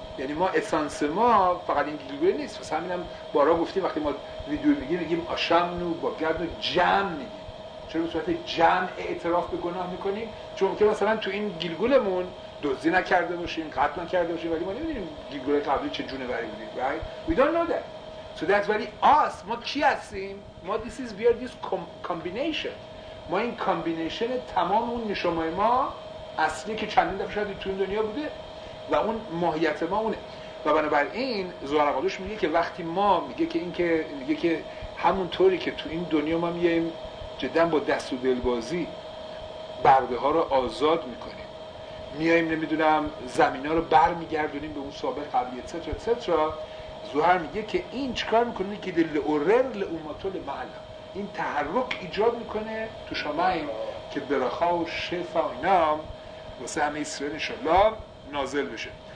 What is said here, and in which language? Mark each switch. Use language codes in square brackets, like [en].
[fa] یعنی ما اسانس ما فقط این گیلگوله نیست، واسه همینم بارها گفتیم وقتی ما ویدیو میگیم آشمنو با گردو جمع میگیم، چرا به صورت جمع اعتراف به گناه میکنیم؟ چون که مثلا تو این گیلگولمون دزدی نکرده باشیم، قتل نکرده باشیم، ولی ما نمیدونیم گیلگوله قبلی چه جونوری بودیم، right? [en] We don't know that. So that's very us. [fa] ما کی هستیم؟ ما [en] this is weird, this combination. [fa] ما این کامبینیشن تمام اون نشمای ما اصلی که چندین دفعه شاید تو این دنیا بوده و اون ماهیت ما اونه. و بنابراین زوهر اقادوش میگه که وقتی ما میگه که این که میگه که همون طوری که تو این دنیا ما میایم جدا با دست و دلبازی برده ها رو آزاد میکنیم، میایم نمیدونم زمین ها رو بر میگردونیم به اون سابق قبلی اتسترا اتسترا، زوهر میگه که این چیکار میکنه که دل اورر لعوماتو لمعلا، این تحرک ایجاد میکنه تو شمایم که برخا و شفا و اینا واسه همه اسرائیل انشالله نازل بشه.